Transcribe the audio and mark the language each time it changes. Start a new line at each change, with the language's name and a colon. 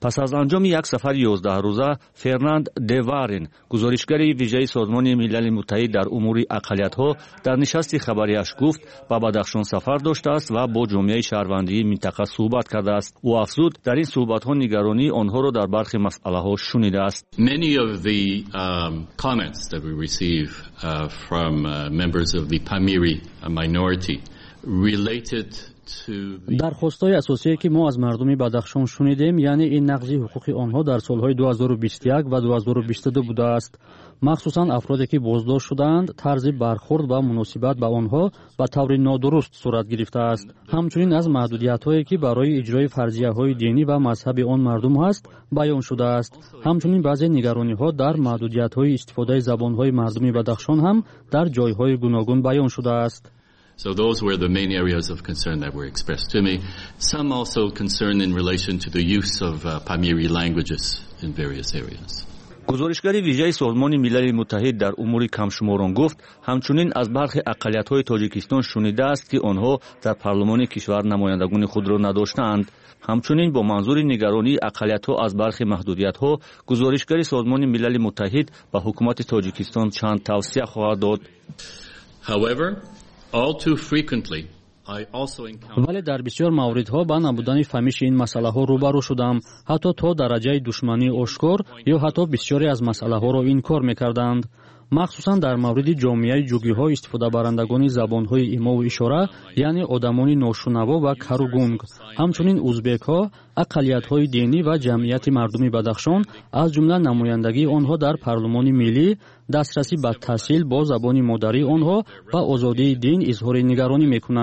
Persian: پس از انجام یک سفر 11 روزه، فرناند دوارین، گزارشگر ویژه سازمان ملل متحد در امور اقلیت‌ها، در نشست خبریش گفت با بدخشان سفر داشته است و با جمعیت شهروندی منطقه صحبت کرده است. او افزود در این صحبت‌ها نگرانی آنها را در برخی مسائل‌ها شنیده است.
English: Many of the comments that we receive from members of the Pamiri minority related
Persian: درخواستای اساسی که ما از مردمی بدخشان شنیدیم، یعنی این نقض حقوق آنها در سالهای 2021 و 2022 بوده است. مخصوصا افرادی که بازداشت شدند، طرز برخورد و مناسبت با آنها به طور نادرست صورت گرفته است. همچنین از محدودیت هایی که برای اجرای فرضیه های دینی و مذهبی آن مردم هست بیان شده است. همچنین بعضی نگرانی ها در محدودیت های استفاده زبان های مردمی بدخشان هم در جای های گوناگون بیان شده است.
English: So those were the main areas of concern that were expressed to me. Some also concern in relation to the use of Pamiri languages in various areas.
Persian: گزارشگری ویژه سازمان ملل متحد در امور کمشماران گفت همچنین از برخی اقلیت‌های تاجیکستان شنیده است که آنها در پارلمان کشور نمایندگان خود را نداشتند. همچنین با منظور نگرانی اقلیت‌ها از برخی محدودیت‌ها، گزارشگری سازمان ملل متحد به حکومت تاجیکستان چند توصیه خواهد داد.
English: However, all too frequently
Persian: ولی در بسیار موردها با نبودن فهمیش این مسئله ها روبرو شدم، حتی تا درجه دشمنی آشکار یا حتی بسیاری از مسئله ها را انکار میکردند. مخصوصا در مورد جامعه جوگی ها استفاده برندگان زبان های ایما و اشاره، یعنی آدمان ناشنوا و کروگونگ، همچنین اوزبک ها، اقلیت های دینی و جمعیت مردمی بدخشان، از جمله نمایندگی آنها در پارلمان ملی، دسترسی به تحصیل با زبان مادری آنها و آزادی دین اظهار نگرانی